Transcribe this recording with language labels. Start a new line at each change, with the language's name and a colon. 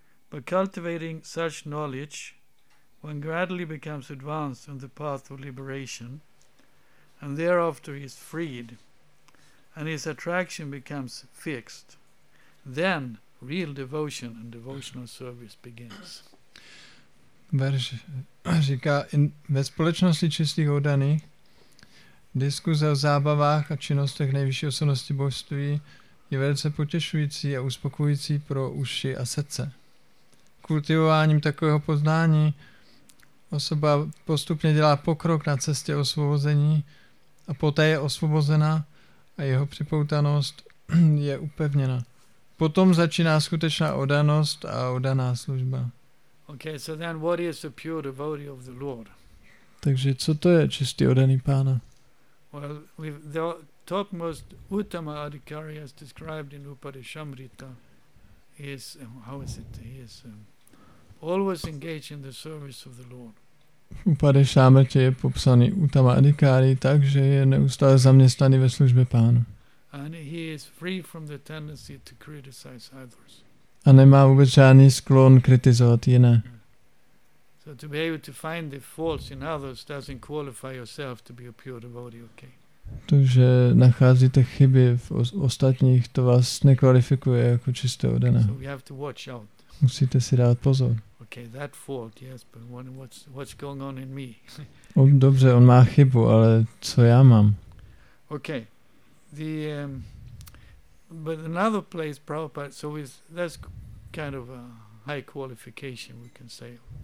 English: By cultivating such knowledge, one gradually becomes advanced on the path of liberation, and thereafter is freed, and his attraction becomes fixed. Then real devotion and devotional service begins.
Czech: Verš říká, ve společnosti čistých oddaných diskuze o zábavách a činnostech nejvyšší osobnosti božství je velice potěšující a uspokojující pro uši a srdce. Kultivováním takového poznání osoba postupně dělá pokrok na cestě osvobození a poté je osvobozena a jeho připoutanost je upevněna. Potom začíná skutečná oddanost a oddaná služba.
English: Okay, so then what is a pure devotee of the Lord?
Czech: Takže co to je čistý oddaný Pána?
English: Well, the topmost uttama adhikari as described in Upadeshamrita is, how is it, he is always engaged in the service of the Lord.
Czech: Upadeshamrita je popsaný uttama adhikari tak, že je neustále zaměstnaný ve službě Pánu.
English: And he is free from the tendency to criticize others.
Czech: A nemá vůbec žádný sklon kritizovat jiné.
English: So to be able to find the faults in others doesn't qualify yourself to be a pure devotee, okay?
Czech: Takže nacházíte chyby v ostatních, to vás nekvalifikuje jako čistého oddaná.
English: So we have to watch out.
Czech: Musíte si dát pozor.
English: Okay, that fault, yes, but what's going on in me?
Czech: Dobře, on má chybu, ale co já mám?
English: Okay, the But another place, Prabhupada, so is that's kind of a high qualification, we can say.